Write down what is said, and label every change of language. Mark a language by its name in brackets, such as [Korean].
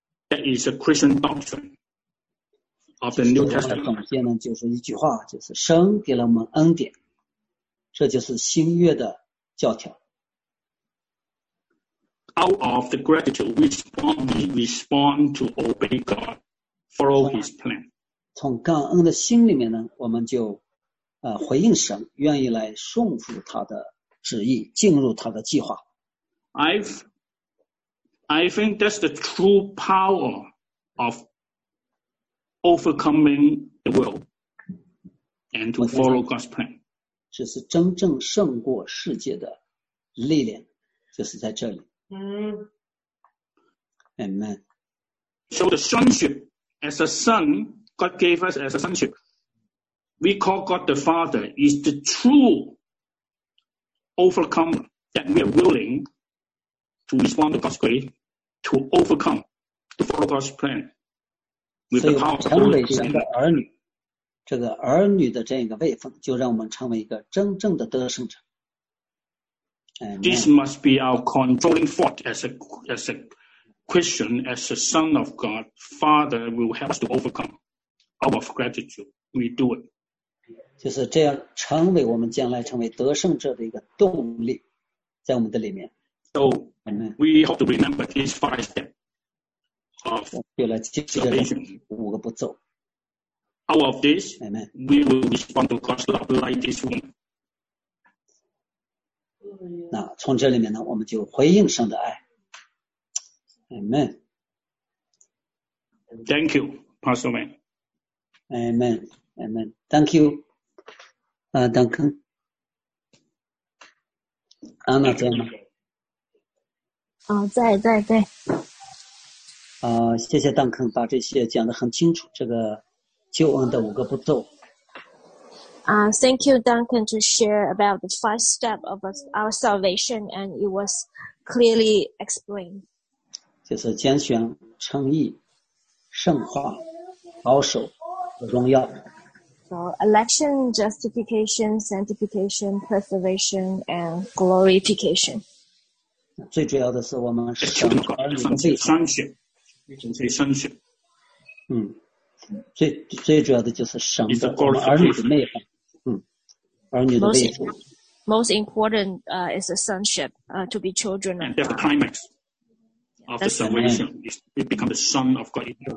[English] That is a Christian doctrine of the New Testament. [Chinese] 总结呢，就是一句话，就是神给了我们恩典，这就是新约的教条。 [English] Out of the gratitude, we respond to obey God, follow His plan. [Chinese] 从感恩的心里面呢，我们就回应神，愿意来顺服他的旨意，进入他的计划。 [English] I think that's the true power of overcoming the world and to follow God's plan. [Chinese] 这是真正胜过世界的力量，就是在这里。 [English] Amen. So the sonship, as a son, God gave us as a sonship, we call God the Father, is the true overcomer that we are willing to respond to God's grace. To overcome, to follow God's plan, with the power of the Holy Spirit. [Chinese] 这个儿女的这个位分，就让我们成为一个真正的得胜者。 [English] This must be our controlling thought as a Christian, as a son of God. Father will help us to overcome. Out of gratitude, we do it. [Chinese] 就是这样，成为我们将来成为得胜者的一个动力，在我们的里面。 [English] So, we hope to remember these five steps. of salvation. Out of this,、 Amen. We will respond to God's love like this one. [Chinese] 那从这里面呢，我们就回应神的爱。 [English] Amen. Thank you, Pastor Wen. Amen. Amen. Thank you. Duncan. [Chinese] Anna 在吗？啊、oh, ，在在在。啊、谢谢 Duncan 把这些讲得很清楚，这个救恩的五个步骤。 [English] Thank you, Duncan, to share about the five steps of our salvation, and it was clearly explained. [Chinese] 就是拣选、称义、圣化、保守和荣耀。 [English] So, election, justification, sanctification, preservation, and glorification. [Chinese] 最主要的是我们神儿女的三选，这三选。最主要的就是神的我们儿女的内涵。儿女的位置。 [English] Most important, is the sonship, to be children of God. And that's the climax of the salvation. It becomes the son of God.